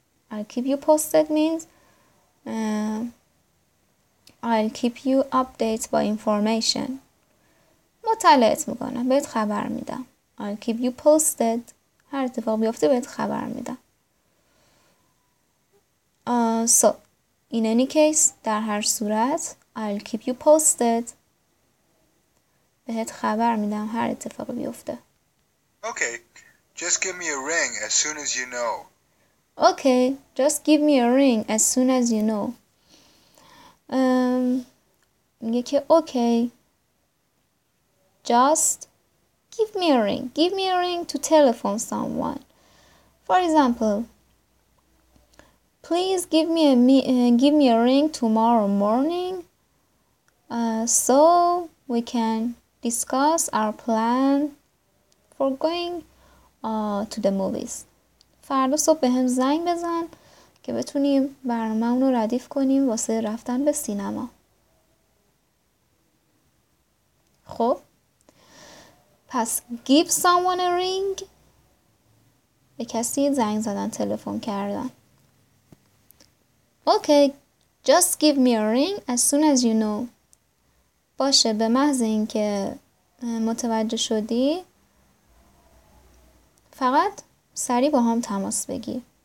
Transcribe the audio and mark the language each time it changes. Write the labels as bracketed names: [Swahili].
[English] I'll keep you posted means I'll keep you updated by information. [Persian] مطلعت میکنم. بهت خبر میدم. [English] I'll keep you posted. [Persian] هر اتفاق بیفته بهت خبر میدم. [English] So, in any case, [Persian] در هر صورت, [English] I'll keep you posted. [Persian] بهت خبر میدم هر اتفاق بیفته. [English] Okay, just give me a ring as soon as you know. Okay, just give me a ring as soon as you know. [Persian] میگه که [English] okay. Just give me a ring. Give me a ring to telephone someone. For example, please give me a ring tomorrow morning so we can discuss our plan for going to the movies. [Persian] فردا صبح به هم زنگ بزن که بتونیم برنامه اونو ردیف کنیم واسه رفتن به سینما. خب پس [English] give someone a ring. [Persian] به کسی زنگ زدن، تلفن کردن. [English] Okay, just give me a ring as soon as you know. [Persian] باشه، به محض این که متوجه شدی فقط سریع با هم تماس بگی.